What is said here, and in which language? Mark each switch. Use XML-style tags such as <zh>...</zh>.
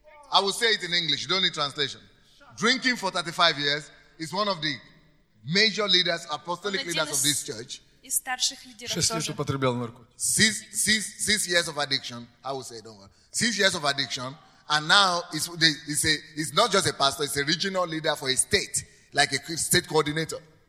<en>I will say it in English. You don't need translation. Drinking for 35 years is one of the major leaders, apostolic leaders of this church.</en> <ru>Из старших лидеров тоже. 6 лет употреблял наркотики.</ru> <en>6 years of addiction, I would say, don't worry. 6 years of addiction, and now it's not just a pastor, it's a regional leader for a state, like a state coordinator.</en>